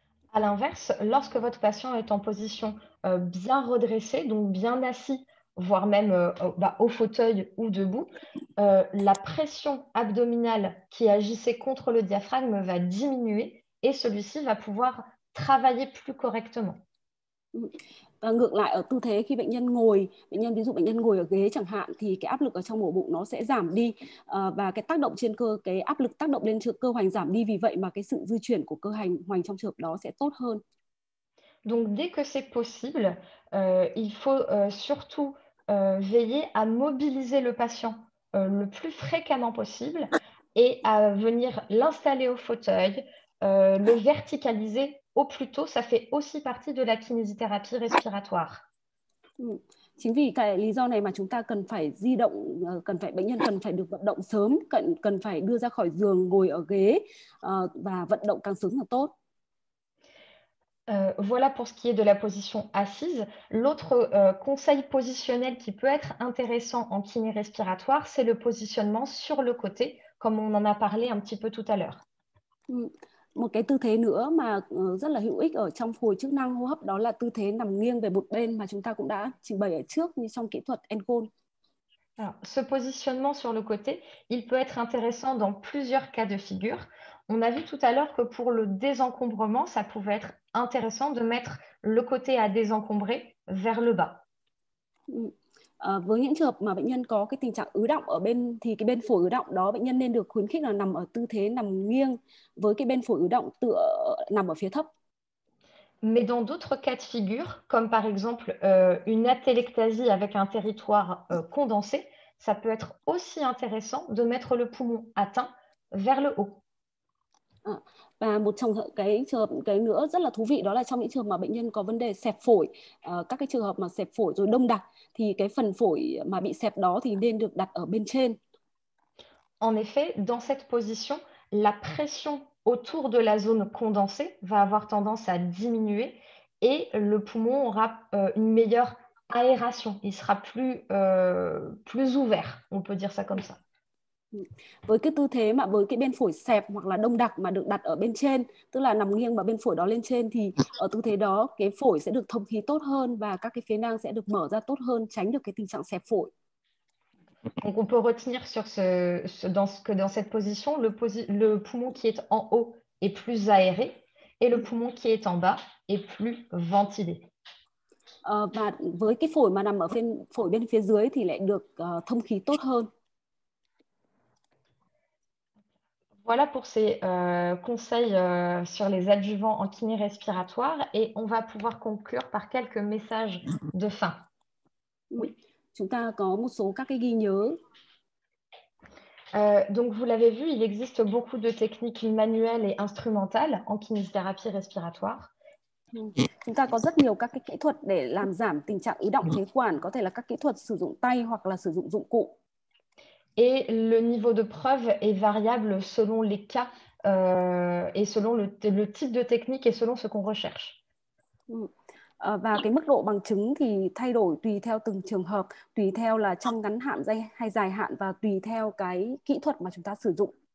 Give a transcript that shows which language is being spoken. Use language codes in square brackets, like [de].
[fr] À l'inverse, lorsque votre patient est en position bien redressée, donc bien assis, voire même au fauteuil ou debout, la pression abdominale qui agissait contre le diaphragme va diminuer et celui-ci va pouvoir travailler plus correctement. [vi] Và ngược lại, ở tư thế khi bệnh nhân ngồi, ví dụ bệnh nhân ngồi ở ghế chẳng hạn, thì cái áp lực ở trong ổ bụng nó sẽ giảm đi, và cái tác động trên cơ cái áp lực tác động lên cơ hoành giảm đi, vì vậy mà cái sự di chuyển của cơ hoành trong trường hợp đó sẽ tốt hơn. [fr] Donc, dès que c'est possible, il faut surtout veiller à mobiliser le patient le plus fréquemment possible et à venir l'installer au fauteuil, le verticaliser au plus tôt. Ça fait aussi partie de la kinésithérapie respiratoire. [vi] Chính vì cái lý do này mà chúng ta cần phải di động, cần phải bệnh nhân cần phải được vận động sớm, cần cần phải đưa ra khỏi giường, ngồi ở ghế, và vận động càng sớm càng tốt. [fr] Voilà pour ce qui est de la position assise. L'autre conseil positionnel qui peut être intéressant en kiné respiratoire, c'est le positionnement sur le côté, comme on en a parlé un petit peu tout à l'heure. [vi] Một cái tư thế nữa mà rất là hữu ích ở trong phục hồi chức năng hô hấp, đó là tư thế nằm nghiêng về một bên mà chúng ta cũng đã trình bày ở trước như trong kỹ thuật Engol. [fr] Alors, ce positionnement sur le côté, il peut être intéressant dans plusieurs cas de figure. On a vu tout à l'heure que pour le désencombrement, ça pouvait être intéressant de mettre le côté à désencombrer vers le bas. [vi] Với những trường hợp mà bệnh nhân có cái tình trạng ứ động ở bên, thì cái bên phổi ứ động đó bệnh nhân nên được khuyến khích là nằm ở tư thế nằm nghiêng với cái bên phổi ứ động tựa nằm ở phía thấp. [fr] Mais dans d'autres cas de figure, comme par exemple une atélectasie avec un territoire condensé, ça peut être aussi intéressant de mettre le poumon atteint vers le haut. [vi] Và một trong cái trường hợp cái nữa rất là thú vị, đó là trong những trường hợp mà bệnh nhân có vấn đề xẹp phổi, các cái trường hợp mà xẹp phổi rồi đông đặc, thì cái phần phổi mà bị xẹp đó thì nên được đặt ở bên trên. [fr] En effet, dans cette position, la pression autour de la zone condensée va avoir tendance à diminuer et le poumon aura une meilleure aération. Il sera plus ouvert, on peut dire ça comme ça. [vi] Với cái tư thế mà với cái bên phổi xẹp hoặc là đông đặc mà được đặt ở bên trên, tức là nằm nghiêng và bên phổi đó lên trên, thì ở tư thế đó cái phổi sẽ được thông khí tốt hơn và các cái phế nang sẽ được mở ra tốt hơn, tránh được cái tình trạng xẹp phổi. [fr] Donc on peut retenir sur dans cette position, le poumon qui est en haut est plus aéré et le poumon qui est en bas est plus ventilé. [vi] Và với cái phổi mà nằm ở phổi bên phía dưới thì lại được thông khí tốt hơn. [fr] Voilà pour ces conseils sur les adjuvants en kiné respiratoire et on va pouvoir conclure par quelques messages de fin. [vi] Chúng ta có một số các cái ghi nhớ. [fr] Donc, vous l'avez vu, il existe beaucoup de techniques manuelles et instrumentales en kinésithérapie respiratoire. [vi] Chúng ta có rất nhiều các cái kỹ thuật để làm giảm tình trạng ứ động phế quản, có thể là các kỹ thuật sử dụng tay hoặc là sử dụng dụng cụ. [fr] Et le niveau de preuve est variable selon les cas et selon le type de technique et selon ce qu'on recherche. [vi] Và cái mức độ bằng chứng thì thay đổi tùy theo từng trường hợp, tùy theo là trong ngắn hạn hay dài hạn, và tùy theo cái kỹ thuật mà chúng ta sử dụng.